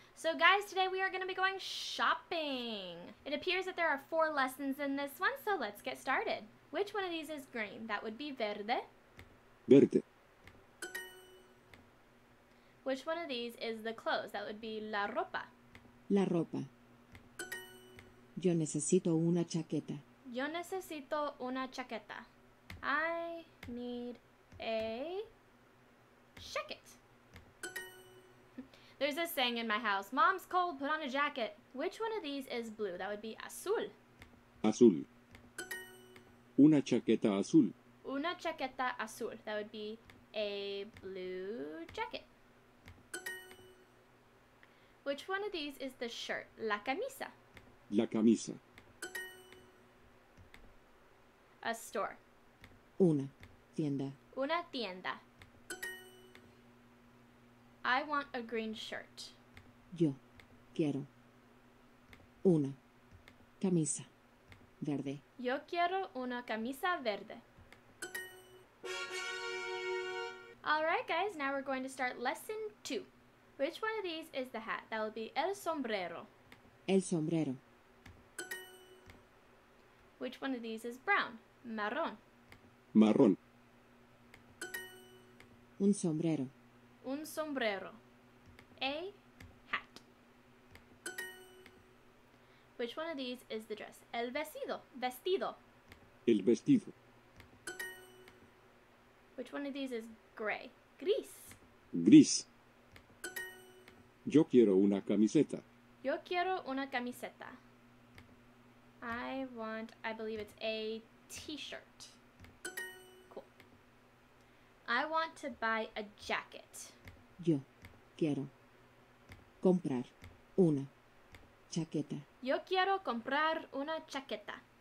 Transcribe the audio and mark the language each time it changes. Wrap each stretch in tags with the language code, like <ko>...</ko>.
<en>So guys, today we are going to be going shopping. It appears that there are four lessons in this one, so let's get started. Which one of these is green? That would be verde.</en> <es>Verde.</es> <en>Which one of these is the clothes? That would be la ropa.</en> <es>La ropa. Yo necesito una chaqueta. Yo necesito una chaqueta.</es> <en>I need a... jacket. There's a saying in my house, mom's cold, put on a jacket. Which one of these is blue? That would be azul.</en> <es>Azul. Una chaqueta azul. Una chaqueta azul.</es> <en>That would be a blue jacket. Which one of these is the shirt?</en> <es>La camisa. La camisa.</es> <en>A store.</en> <es>Una tienda. Una tienda.</es> <en>I want a green shirt.</en> <es>Yo quiero una camisa verde. Yo quiero una camisa verde.</es> <en>All right, guys, now we're going to start lesson two. Which one of these is the hat? That will be el sombrero.</en> <es>El sombrero.</es> <en>Which one of these is brown?</en> <es>Marrón. Marrón. Un sombrero. Un sombrero.</es> <en>A hat. Which one of these is the dress?</en> <es>El vestido. Vestido. El vestido.</es> <en>Which one of these is gray?</en> <es>Gris. Gris. Yo quiero una camiseta. Yo quiero una camiseta.</es> <en>I want, I believe it's a t-shirt. Cool. I want to buy a jacket.</en> <es>Yo quiero comprar una chaqueta. Yo quiero comprar una chaqueta.</es>